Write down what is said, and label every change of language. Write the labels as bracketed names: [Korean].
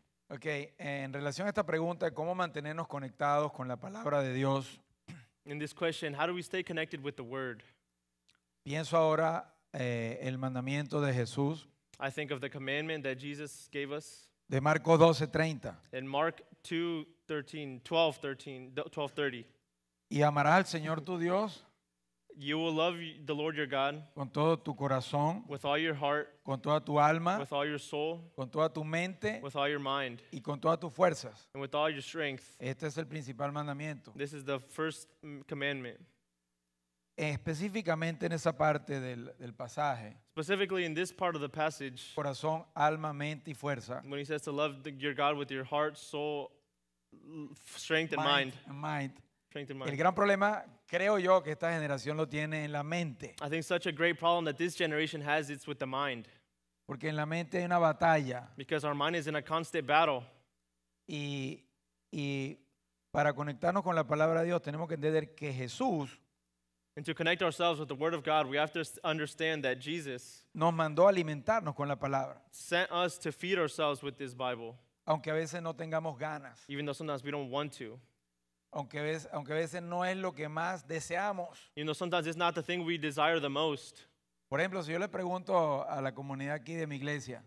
[Spanish] Okay, en relación a esta pregunta, ¿cómo mantenernos conectados con la palabra de Dios? [English] In this question, how do we stay connected with the word? [Spanish] Pienso ahora el mandamiento de Jesús. [English] I think of the commandment that Jesus gave us. [Spanish] De Marcos 12:30. [English] In Mark 12:30. [Spanish] Y amarás al Señor tu Dios. [English] You will love the Lord your God. [Spanish] Con todo tu corazón. [English] With all your heart. [Spanish] Con toda tu alma. [English] With all your soul. [Spanish] Con toda tu mente. [English] With all your mind. [Spanish] Y con todas tus fuerzas. [English] And with all your strength. [Spanish] Este es el principal mandamiento. [English] This is the first commandment. [Spanish] Específicamente en esa parte del pasaje. [English] Specifically in this part of the passage. [Spanish] Corazón, alma, mente y fuerza. [English] When he says to love your God with your heart, soul, strength and mind. Mind. Strength and mind. [Spanish] El gran problema, creo yo, que esta generación lo tiene en la mente. [English] I think such a great problem that this generation has, it's with the mind. [Spanish] Porque en la mente hay una batalla. [English] Because our mind is in a constant battle. [Spanish] Y para conectarnos con la palabra de Dios, tenemos que entender que Jesús. [English] And to connect ourselves with the word of God, we have to understand that Jesus [Spanish] nos mandó alimentarnos con la palabra. [English] Sent us to feed ourselves with this Bible. [Spanish] Aunque a veces no tengamos ganas. [English] Even though sometimes we don't want to. [Spanish] Aunque a veces no es lo que más deseamos. [English] You know, sometimes it's not the thing we desire the most. [Spanish] Por ejemplo, si yo le pregunto a la comunidad aquí de mi iglesia.